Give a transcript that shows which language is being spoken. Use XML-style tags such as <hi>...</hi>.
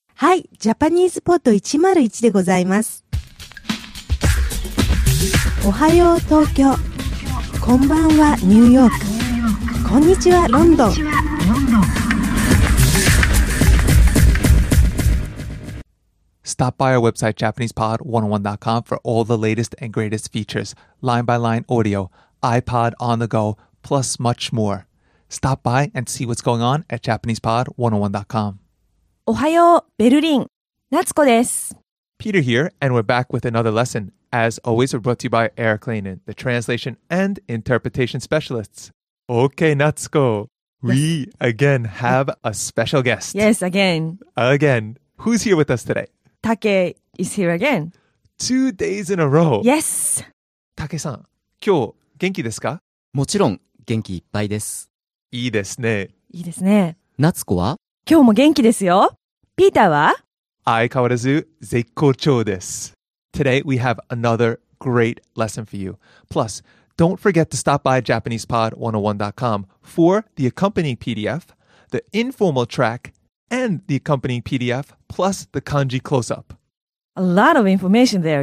<ja>はい、ジャパニーズポート101でございます。おはよう東京、こんばんはニューヨーク、こんにちはロンドン。</ja> <en>Stop by our website, JapanesePod101.com, for all the latest and greatest features, line-by-line audio, iPod on the go, plus much more. Stop by and see what's going on at JapanesePod101.com.</en> <ja>おはよう、ベルリン。夏子です。</ja> <en>Peter here, and we're back with another lesson. As always, we're brought to you by Eric Lainen, the translation and interpretation specialists. Okay, 夏子.We, again, have a special guest. Yes, again. Again. Who's here with us today? Take is here again. 2 days in a row. Yes.</en> <ja>Take-san, 今日元気ですか? もちろん元気いっぱいです。いいですね。いいですね。夏子は? 今日も元気ですよ。ピーターは? 相変わらず絶好調です。</ja> <en>Today we have another great lesson for you. Plus, don't forget to stop by JapanesePod101.com for the accompanying PDF, the informal track,and the accompanying PDF, plus the kanji close-up. A lot of information there.</en>